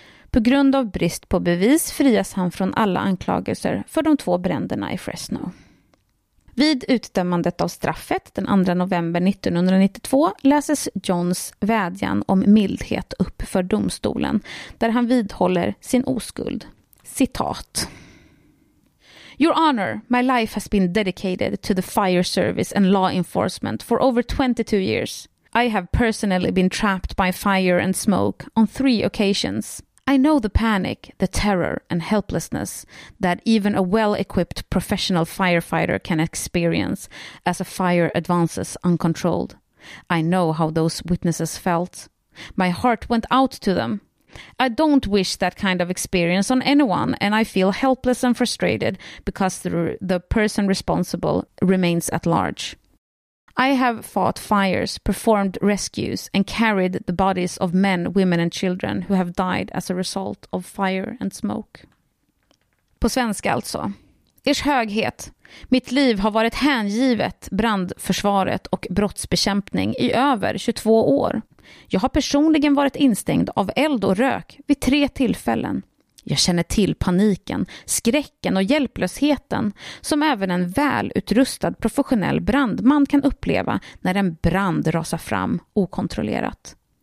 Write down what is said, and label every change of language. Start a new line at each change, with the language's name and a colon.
Swedish: På grund av brist på bevis frias han från alla anklagelser för de 2 bränderna i Fresno. Vid utdömandet av straffet den 2 november 1992 läses Johns vädjan om mildhet upp för domstolen där han vidhåller sin oskuld. Citat.
English: Your Honor, my life has been dedicated to the fire service and law enforcement for over 22 years. I have personally been trapped by fire and smoke on 3 occasions. I know the panic, the terror and helplessness that even a well-equipped professional firefighter can experience as a fire advances uncontrolled. I know how those witnesses felt. My heart went out to them. I don't wish that kind of experience on anyone, and I feel helpless and frustrated because the person responsible remains at large. I have fought fires, performed rescues, and carried the bodies of men, women and children who have died as a result of fire and smoke.
Swedish: På svenska alltså. Ers höghet, mitt liv har varit hängivet brandförsvaret och brottsbekämpning i över 22 år. Jag har personligen varit instängd av eld och rök vid 3 tillfällen. Jag känner till paniken, skräcken och hjälplösheten som även en välutrustad professionell brandman kan uppleva när en brand rasar fram okontrollerat.